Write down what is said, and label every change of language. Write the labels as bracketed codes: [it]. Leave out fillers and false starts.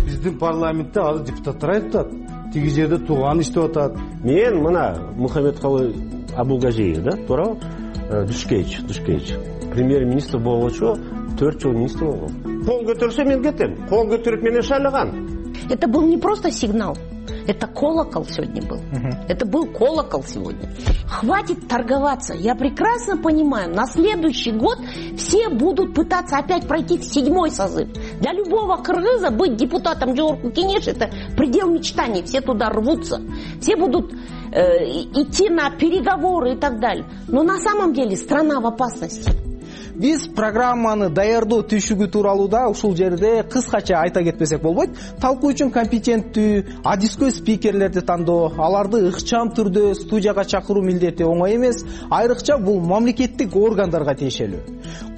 [ky] Биздин парламентте азыр депутаттар айтат, тиги жерде тууган иштеп атат. Мен мына Мухаммедкалы Абулгажиев да, туурабы? Дүшкейч. Премьер-министр болгочу 4 жыл министр болгон. Кол көтөрсө мен кетем. Кол көтөрүп мени шайлаган. [ru] Это был не просто сигнал. Это колокол сегодня был. Это был колокол сегодня. Хватит торговаться. Я прекрасно понимаю, на следующий год все будут пытаться опять пройти в 7-й созыв. Для любого кыргыза быть депутатом Жогорку Кенеш это предел мечтаний. Все туда рвутся. Все будут идти на переговоры и так далее. Но на самом деле страна в опасности. [ky] Биз программаны даярдоо түйшүгү тууралуу да ушул жерде кыскача айта кетпесек болбойт. Талкуу үчүн компетенттүү, адискөй спикерлерди тандоо, аларды ыкчам түрдө студияга чакыруу милдети оңой эмес, айрыкча бул мамлекеттик органдарга тиешелүү.